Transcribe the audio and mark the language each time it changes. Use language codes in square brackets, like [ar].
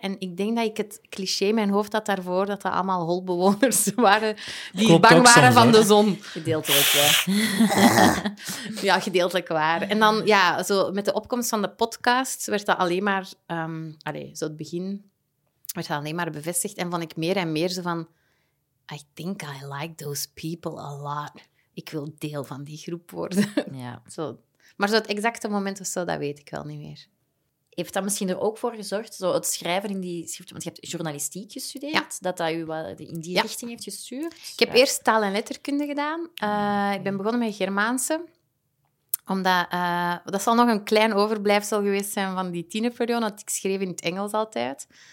[nl] En ik denk dat ik het cliché in mijn hoofd had daarvoor dat dat allemaal holbewoners waren die bang waren van de zon. Gedeeltelijk, gedeeltelijk waar. En dan, zo met de opkomst van de podcast werd dat alleen maar... zo het begin werd dat alleen maar bevestigd. En vond ik meer en meer zo van... [en] I think I like those people a lot. [nl] Ik wil deel van die groep worden. Ja. Maar zo het exacte moment of zo, dat weet ik wel niet meer. Heeft dat misschien er ook voor gezorgd, zo het schrijven in die schriften, want je hebt journalistiek gestudeerd, dat je wel in die richting heeft gestuurd? Ik heb eerst taal- en letterkunde gedaan. Ik ben begonnen met Germaanse, omdat dat zal nog een klein overblijfsel geweest zijn van die tienerperiode, want ik schreef in het Engels altijd.